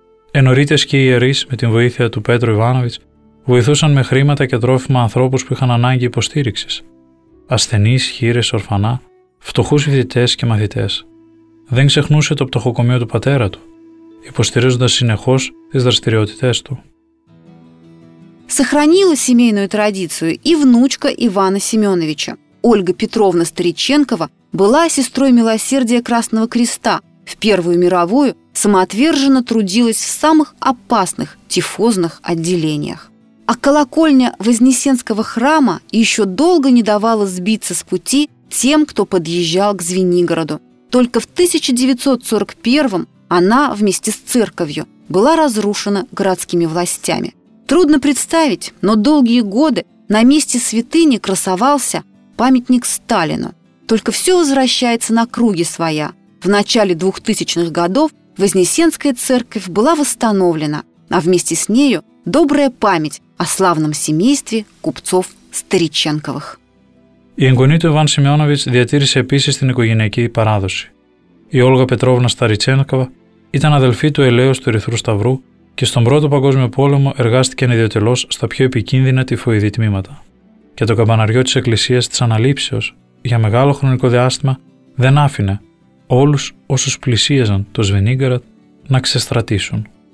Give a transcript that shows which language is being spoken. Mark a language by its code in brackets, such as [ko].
[el] Ενωρίτες και ιερείς με την βοήθεια του Πέτρου Ιβάνοβιτς βοηθούσαν με χρήματα και τρόφιμα ανθρώπους που είχαν ανάγκη υποστήριξης. Ασθενείς, χείρες, ορφανά, φτωχούς φοιτητές και μαθητές. Δεν ξεχνούσε το πτωχοκομείο του πατέρα του, υποστηρίζοντας συνεχώς τις δραστηριότητές του. [ru] Сохранила семейную традицию и внучка Ивана Семеновича. Ольга Петровна Стариченкова была сестрой милосердия Красного Креста. В Первую мировую самоотверженно трудилась в самых опасных тифозных отделениях. А колокольня Вознесенского храма еще долго не давала сбиться с пути тем, кто подъезжал к Звенигороду. Только в 1941 она вместе с церковью была разрушена городскими властями. Трудно представить, но долгие годы на месте святыни красовался памятник Сталину. Только все возвращается на круги своя. В начале 2000-х годов Вознесенская церковь была восстановлена, а вместе с нею добрая память о славном семействе купцов Стариченковых. [el] Η εγγονή του Ιβάν Σημειώνοβιτς διατήρησε επίσης την οικογενειακή παράδοση. Η Όλγα Πετρόβνα Σταριτσένκοβα ήταν αδελφή του Ελέως του Ερυθρού Σταυρού και στον Πρώτο Παγκόσμιο Πόλεμο εργάστηκε ανιδιωτελώς στα πιο επικίνδυνα τυφοειδή τμήματα. Και το καμπαναριό της Εκκλησίας της Αναλήψεως για μεγάλο χρονικό διάστημα δεν άφηνε όλους όσους πλησίαζαν το Σβενίγκαρατ να ξεστρατήσουν.